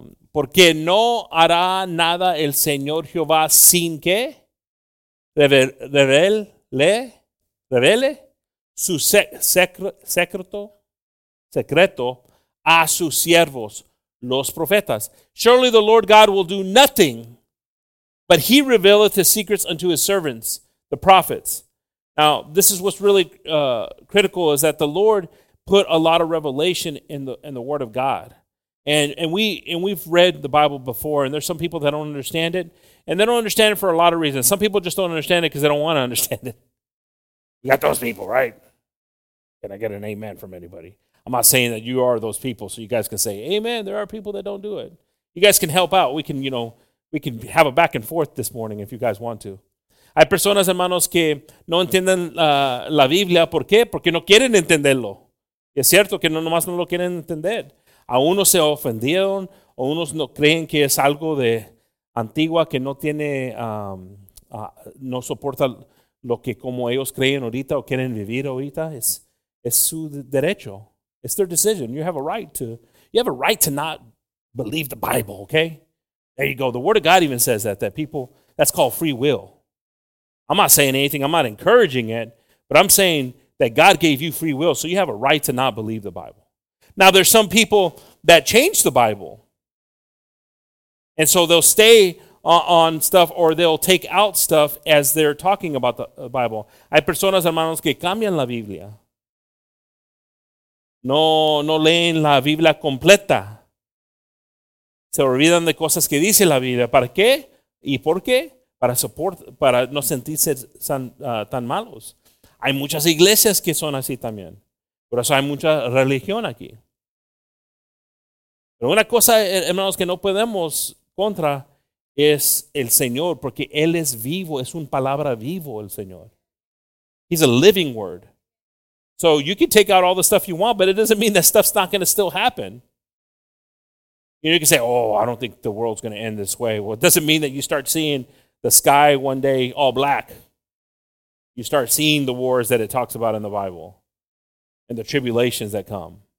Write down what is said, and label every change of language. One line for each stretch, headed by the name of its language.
Spanish: Porque no hará nada el Señor Jehová sin que revele su secreto a sus siervos, los profetas.
English: Surely the Lord God will do nothing, but he revealeth his secrets unto his servants, the prophets. Now, this is what's really critical, is that the Lord put a lot of revelation in the Word of God. And we've read the Bible before, and there's some people that don't understand it, and they don't understand it for a lot of reasons. Some people just don't understand it because they don't want to understand it. You got those people, right? Can I get an amen from anybody? I'm not saying that you are those people, so you guys can say, amen, there are people that don't do it. You guys can help out. We can have a back and forth this morning if you guys want to.
Spanish: Hay personas, hermanos, que no entienden la Biblia. ¿Por qué? Porque no quieren entenderlo. Y es cierto que no nomás no lo quieren entender. A unos se ofendieron, o unos no creen que es algo de antigua, que no tiene, no soporta lo que como ellos creen ahorita o quieren vivir ahorita. Es su derecho.
English: It's their decision. You have a right to not believe the Bible, okay? There you go. The Word of God even says that people, that's called free will. I'm not saying anything. I'm not encouraging it, but I'm saying that God gave you free will, so you have a right to not believe the Bible. Now, there's some people that change the Bible, and so they'll stay on stuff, or they'll take out stuff as they're talking about the Bible.
Spanish: Hay personas, hermanos, que cambian la Biblia. No leen la Biblia completa. Se olvidan de cosas que dice la Biblia. ¿Para qué? ¿Y por qué? Para no sentirse tan malos. Hay muchas iglesias que son así también. Por eso hay mucha religión aquí. Pero una cosa, hermanos, que no podemos contra es el Señor, porque Él es vivo, es una palabra vivo el Señor.
English: He's a living word. So you can take out all the stuff you want, but it doesn't mean that stuff's not going to still happen. You know, you can say, oh, I don't think the world's going to end this way. Well, it doesn't mean that you start seeing the sky one day all black. You start seeing the wars that it talks about in the Bible and the tribulations that come.